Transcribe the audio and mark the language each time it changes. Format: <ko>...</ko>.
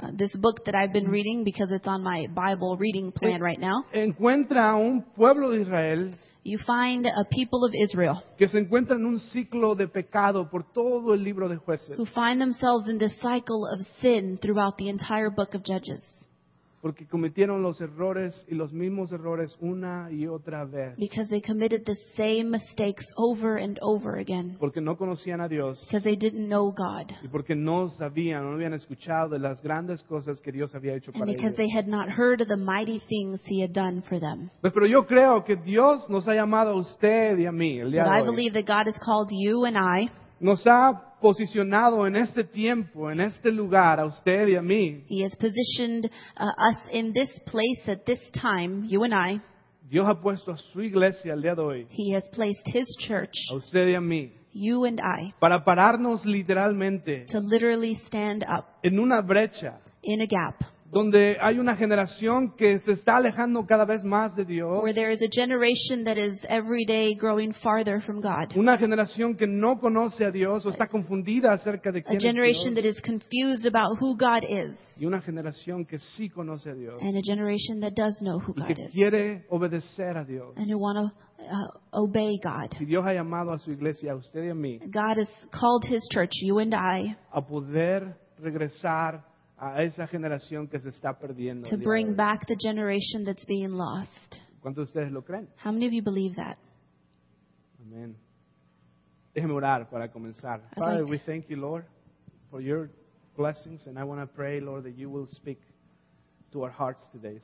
<en>This book that I've been reading because it's on my Bible reading plan right now.</en> <es>Encuentra a un pueblo de Israel.</es> <en>You find a people of Israel</en> <es>que se encuentran en un ciclo de pecado por todo el libro de Jueces.</es> <en>Who find themselves in this cycle of sin throughout the entire book of Judges.</en> <es>Porque cometieron los errores y los mismos errores una y otra vez.</es> <en>Because they committed the same mistakes over and over again.</en> <es>Porque no conocían a Dios.</es> <en>Because they didn't know God.</en> <es>Y porque no sabían, no habían escuchado de las grandes cosas que Dios había hecho para ellos.</es> <en>And because they had not heard of the mighty things he had done for them.</en> <es>Pero yo creo que Dios nos ha llamado a usted y a mí el día de hoy.</es> <en>But I believe that God has called you and I.</en> <es>Nos ha posicionado en este tiempo, en este lugar, a usted y a mí.</es> <en>He has positioned us in this place at this time, you and I.</en> <es>Dios ha puesto a su iglesia el día de hoy.</es> <en>He has placed his church.</en> <es>A usted y a mí.</es> <en>You and I.</en> <es>Para pararnos literalmente.</es> <en>To literally stand up.</en> <es>En una brecha.</es> <en>In a gap.</en> <es>Donde hay una generación que se está alejando cada vez más de Dios.</es> <en>Where there is a generation that is every day growing farther from God.</en> <es>Una generación que no conoce a Dios o está confundida acerca de quién es Dios.</es> <en>A generation that is confused about who God is.</en> <es>Y una generación que sí conoce a Dios.</es> <en>And a generation that does know who God is.</en> <es>Y que quiere obedecer a Dios.</es> <en>And who want to obey God.</en> <es>Y Dios ha llamado a su iglesia, a usted y a mí.</es> <en>God has called his church, you and I.</en> <es>A poder regresar a esa generación que se está perdiendo.</es> <en>To bring back the generation that's being lost.</en> <es>¿Cuántos de ustedes lo creen?</es> <en>How many of you believe that?</en> <es>Amen. Déjeme orar para comenzar.</es> <en>Father, we thank you, Lord, for your blessings, and I want to pray, Lord, that you will speak to our hearts today.</en>